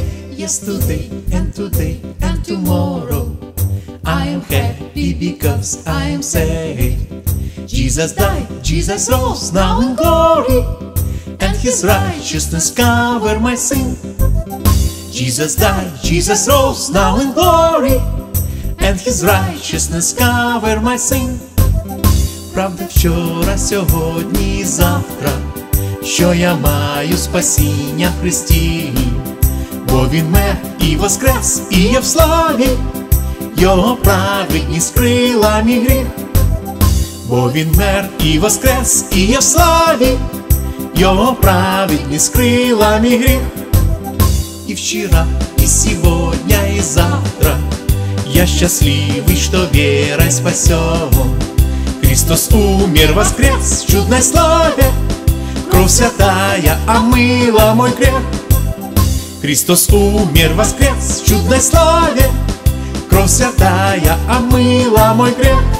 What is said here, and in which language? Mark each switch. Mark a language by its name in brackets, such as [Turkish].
[English] Yesterday and today and tomorrow, I am happy because I am saved. Jesus died, Jesus rose, now in glory, and His righteousness cover my sin. Jesus died, Jesus rose, now in glory, and His righteousness cover my sin. [Ukrainian] Правда, вчора, сьогодні і завтра, що я маю спасіння в Христі. Бо Він ме і воскрес, і є в славі, Його праведність крила мій гріх. Бо Він мер і воскрес, і є в славі, Його праведність крила мій гріх. І вчора, і сьогодні, і завтра, я щасливий, що вера спасена. [Russian] Христос умер, воскрес, в чудной славе, кровь святая омыла мой грех. Христос умер, воскрес, в чудной славе, кровь святая омыла мой грех.